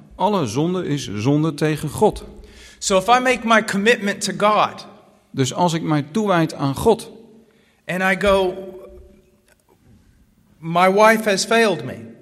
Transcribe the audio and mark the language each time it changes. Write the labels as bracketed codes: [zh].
[nl] Alle zonde is zonde tegen God. [en] So if I make my commitment to God. [nl] Dus als ik mij toewijd aan God. [en] And I go, my wife has failed me.